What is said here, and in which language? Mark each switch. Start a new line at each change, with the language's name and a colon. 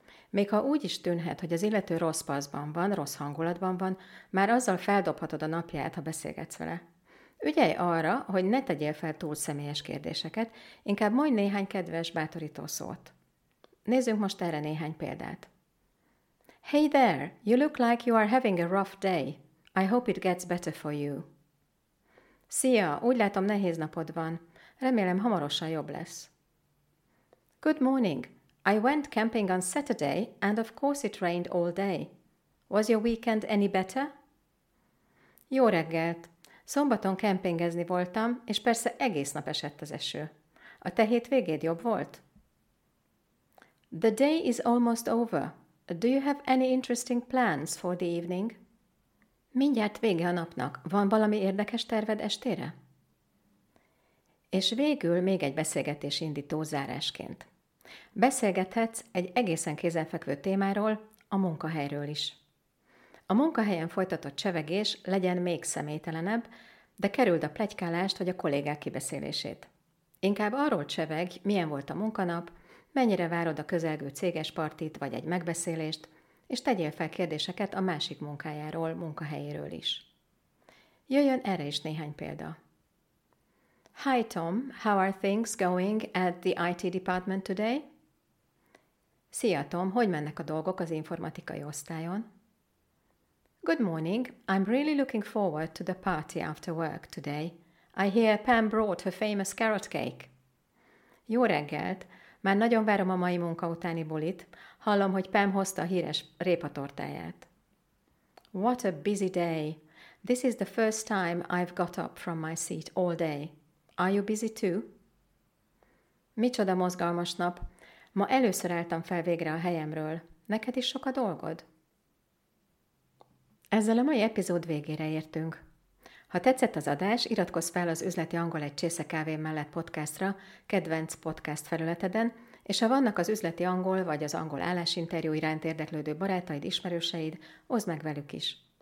Hungarian: Még ha úgy is tűnhet, hogy az illető rossz paszban van, rossz hangulatban van, már azzal feldobhatod a napját, ha beszélgetsz vele. Ügyelj arra, hogy ne tegyél fel túl személyes kérdéseket, inkább mondj néhány kedves, bátorító szót. Nézzünk most erre néhány példát.
English: Hey there, you look like you are having a rough day. I hope it gets better for you.
Hungarian: Szia, úgy látom nehéz napod van. Remélem hamarosan jobb lesz.
English: Good morning. I went camping on Saturday, and of course it rained all day. Was your weekend any better?
Hungarian: Jó reggelt! Szombaton kempingezni voltam, és persze egész nap esett az eső. A te hétvégéd jobb volt?
English: The day is almost over. Do you have any interesting plans for the evening?
Hungarian: Mindjárt vége a napnak. Van valami érdekes terved estére? És végül még egy beszélgetés indító zárásként. Beszélgethetsz egy egészen kézzelfekvő témáról, a munkahelyről is. A munkahelyen folytatott csevegés legyen még személytelenebb, de kerüld a pletykálást vagy a kollégák kibeszélését. Inkább arról cseveg, milyen volt a munkanap, mennyire várod a közelgő céges partit vagy egy megbeszélést, és tegyél fel kérdéseket a másik munkájáról, munkahelyéről is. Jöjjön erre is néhány példa.
English: Hi Tom, how are things going at the IT department today?
Hungarian: Szia Tom, hogy mennek a dolgok az informatikai osztályon?
English: Good morning, I'm really looking forward to the party after work today. I hear Pam brought her famous carrot cake.
Hungarian: Jó reggelt! Már nagyon várom a mai munka utáni bulit. Hallom, hogy Pam hozta a híres répatortáját.
English: What a busy day! This is the first time I've got up from my seat all day. Are you busy too?
Hungarian: Micsoda mozgalmas nap! Ma először álltam fel végre a helyemről. Neked is sok a dolgod? Ezzel a mai epizód végére értünk. Ha tetszett az adás, iratkozz fel az Üzleti Angol egy csésze kávé mellett podcastra, kedvenc podcast felületeden, és ha vannak az üzleti angol vagy az angol állásinterjú iránt érdeklődő barátaid, ismerőseid, oszd meg velük is.